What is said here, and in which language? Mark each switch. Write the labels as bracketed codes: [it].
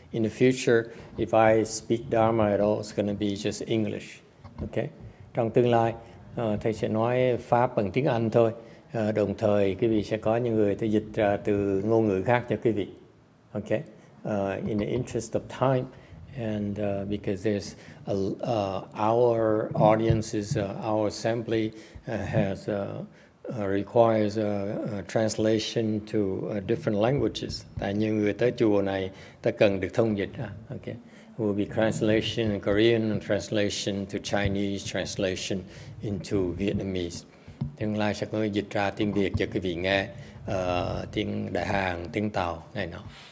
[en] In the future, if I speak Dharma at all, it's going to be just English. Okay? [vi] Trong tương lai, thầy sẽ nói Pháp bằng tiếng Anh thôi. Đồng thời, quý vị sẽ có những người thầy dịch ra từ ngôn ngữ khác cho quý vị. Okay? [en] In the interest of time, and because there's our audiences, our assembly has requires a translation to different languages. [vi] Tại nhiều người tới chùa này ta cần được thông dịch. Okay. [en] It will be translation in Korean, translation to Chinese, translation into Vietnamese. [vi] Tương lai sẽ có dịch ra tiếng Việt cho quý vị nghe, tiếng Đại Hàn, tiếng Tàu này nọ.